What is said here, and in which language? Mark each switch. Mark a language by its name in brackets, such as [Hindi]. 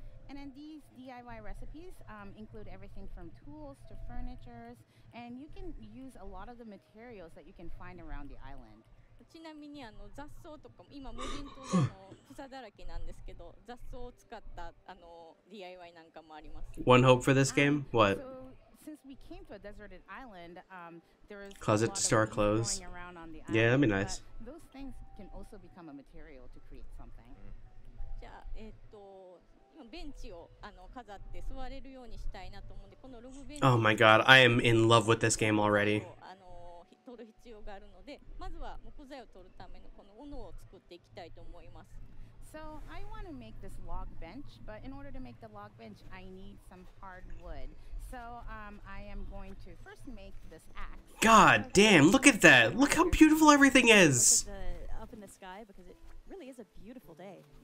[English] And then these DIY recipes include everything from tools to furniture, and you can use a lot of the materials that you can find around the island. [Japanese] ちなみにあの雑草とかも今無人島で草だらけなんですけど、雑草を使ったあの DIY なんかもあります。 [English] One hope for this game? What? Since we came to a deserted island, there is closet to store clothes. Yeah, that'd be nice. Those things can also become a material to create something. [Japanese] じゃあ、ベンチをあの飾って座れるようにしたいなと思うんで、このログベンチ。 [English] Oh my god, I am in love with this game already. [Japanese] あの取る必要があるので、まずは木材を取るためのこの斧を作っていきたいと思います。 [English] So I want to make this log bench, but in order to make the log bench, I need some hard wood. So I am going to first make this axe. God damn, look at that. Look how beautiful everything is. Up in the sky, because it really is a beautiful day.